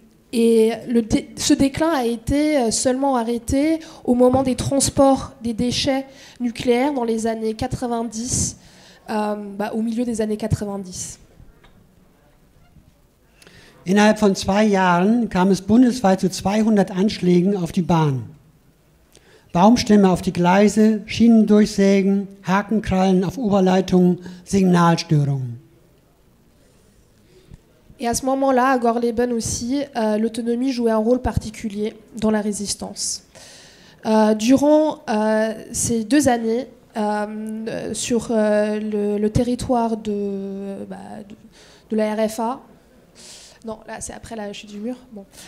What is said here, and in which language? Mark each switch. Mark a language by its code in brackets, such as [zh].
[fr] Et ce déclin a été seulement arrêté au moment des transports des déchets nucléaires dans les années 90, au milieu des années 90. [de] Innerhalb von zwei Jahren kam es bundesweit zu 200 Anschlägen auf die Bahn. Baumstämme auf die Gleise, Schienendurchsägen, Hakenkrallen auf Oberleitungen, Signalstörungen. [fr] Et à ce moment-là, à Gorleben aussi, l'autonomie jouait un rôle particulier dans la résistance. Durant ces deux années, sur le territoire de la RFA, non, là, c'est après la chute du mur, bon.